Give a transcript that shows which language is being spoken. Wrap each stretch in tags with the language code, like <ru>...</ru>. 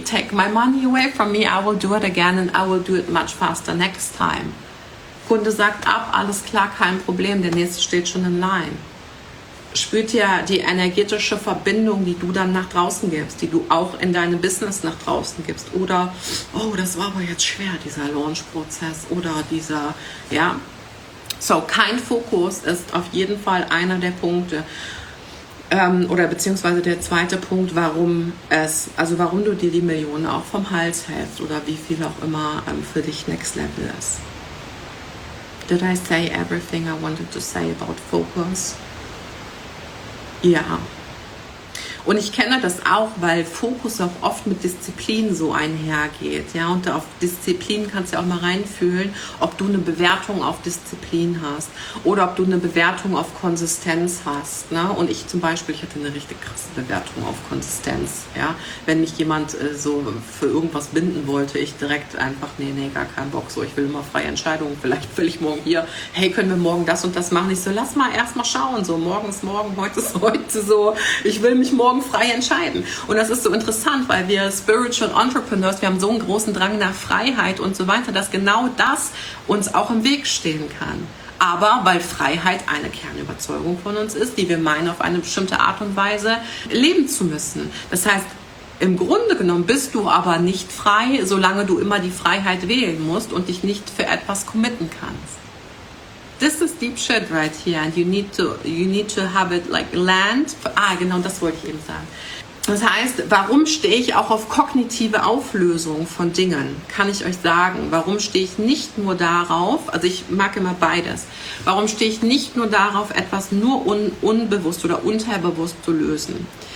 <en>Take my money away from me, I will do it again and I will do it much faster next time.</en> <de>Kunde sagt ab, alles klar, kein Problem, der nächste steht schon in line. Spürt ja die energetische Verbindung, die du dann nach draußen gibst, die du auch in deinem Business nach draußen gibst. Oder, oh, das war aber jetzt schwer, dieser Launch-Prozess oder dieser, ja. So, kein Fokus ist auf jeden Fall einer der Punkte, oder beziehungsweise der zweite Punkt, warum du dir die Millionen auch vom Hals hältst oder wie viel auch immer für dich Next Level ist.</de> <en>Did I say everything I wanted to say about focus?</en> <de>Ja. Und ich kenne das auch, weil Fokus auch oft mit Disziplin so einhergeht. Ja, und auf Disziplin kannst du auch mal reinfühlen, ob du eine Bewertung auf Disziplin hast oder ob du eine Bewertung auf Konsistenz hast. Ne? Und ich zum Beispiel, ich hatte eine richtig krasse Bewertung auf Konsistenz. Ja, wenn mich jemand so für irgendwas binden wollte, ich direkt einfach, nee, gar keinen Bock. So, ich will immer freie Entscheidungen. Vielleicht will ich morgen hier, hey, können wir morgen das und das machen? Ich so, lass mal erstmal schauen. So, morgen ist morgen, heute ist heute. So, ich will mich morgen frei entscheiden. Und das ist so interessant, weil wir Spiritual Entrepreneurs, wir haben so einen großen Drang nach Freiheit und so weiter, dass genau das uns auch im Weg stehen kann. Aber weil Freiheit eine Kernüberzeugung von uns ist, die wir meinen, auf eine bestimmte Art und Weise leben zu müssen. Das heißt, im Grunde genommen bist du aber nicht frei, solange du immer die Freiheit wählen musst und dich nicht für etwas committen kannst.</de> <en>This is deep shit right here and you need to have it like land.</en> <de>Genau, das wollte ich eben sagen. Das heißt, warum stehe ich auch auf kognitive Auflösung von Dingen, kann ich euch sagen. Warum stehe ich nicht nur darauf, also ich mag immer beides, warum stehe ich nicht nur darauf, etwas nur unbewusst oder unterbewusst zu lösen?</de>